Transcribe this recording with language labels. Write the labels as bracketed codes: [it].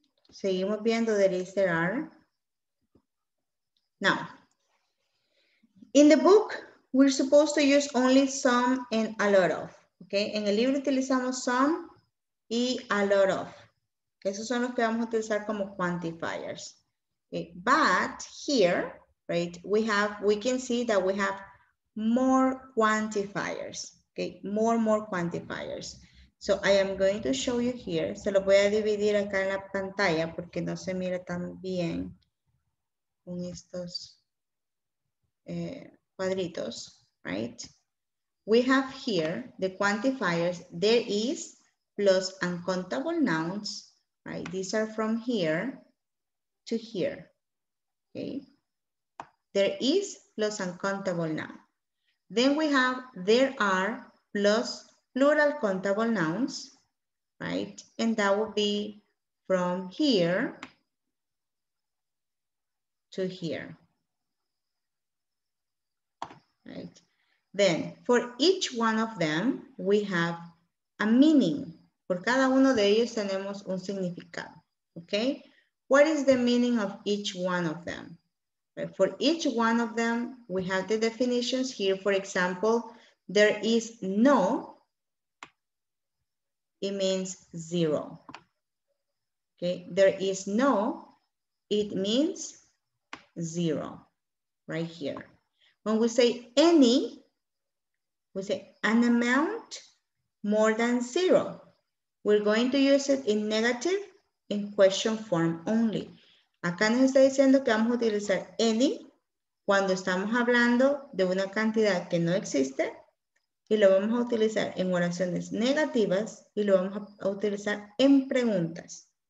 [es] Seguimos viendo [en] the list there are. Now, in the book, we're supposed to use only some and a lot of. [es] Okay. En el libro utilizamos some y a lot of. Esos son los que vamos a utilizar como quantifiers. [en] Okay. But here, right, we can see that we have more quantifiers. Okay, more quantifiers. So I am going to show you here. [es] Se lo voy a dividir acá en la pantalla porque no se mira tan bien con estos cuadritos, right? [en] We have here the quantifiers. There is plus uncountable nouns. Right, these are from here to here. Okay, there is plus uncountable noun. Then we have there are plus plural countable nouns, right? And that would be from here to here. Right, then for each one of them, we have a meaning. [es] Por cada uno de ellos tenemos un significado, okay? [en] What is the meaning of each one of them? Right. For each one of them, we have the definitions here. For example, there is no, it means zero, okay? There is no, it means zero, right here. When we say any, we say an amount more than zero. We're going to use it in negative, in question form only. [es] Acá nos está diciendo que vamos a utilizar any cuando estamos hablando de una cantidad que no existe y lo vamos a utilizar en oraciones negativas y lo vamos a utilizar en preguntas.